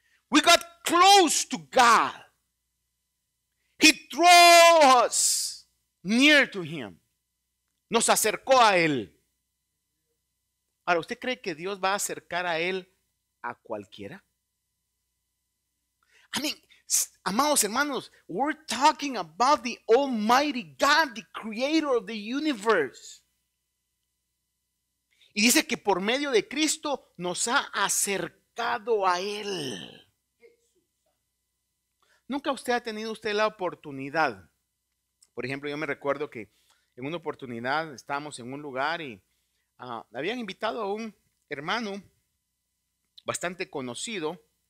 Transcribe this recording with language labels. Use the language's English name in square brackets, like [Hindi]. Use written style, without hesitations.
[English] We got close to God. He drew us near to Him. [Spanish] Nos acercó a Él. Ahora, ¿usted cree que Dios va a acercar a Él a cualquiera? [English] I mean, [Spanish] amados hermanos, [English] we're talking about the Almighty God, the creator of the universe. [Spanish] Y dice que por medio de Cristo nos ha acercado a Él. Nunca usted ha tenido usted la oportunidad. Por ejemplo, yo me recuerdo que en una oportunidad estábamos en un lugar y habían invitado a un hermano bastante conocido.